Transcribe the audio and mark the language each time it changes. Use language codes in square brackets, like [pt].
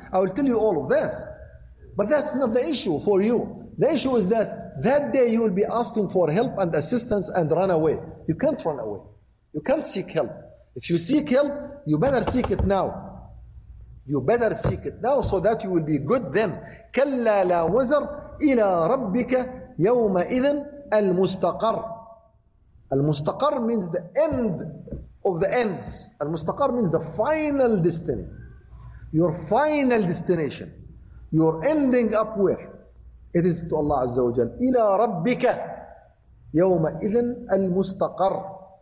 [en] I will tell you all of this. But that's not the issue for you. The issue is that that day you will be asking for help and assistance and run away. You can't run away. You can't seek help. If you seek help, you better seek it now. You better seek it now so that you will be good then. [ar] كلا لا وزر إلى ربك يومئذ المستقر. [en] المستقر means the end of the ends. المستقر means the final destiny. Your final destination. Your ending up where? It is to Allah Azza wa Jal. [ar] إلى ربك يومئذ المستقر.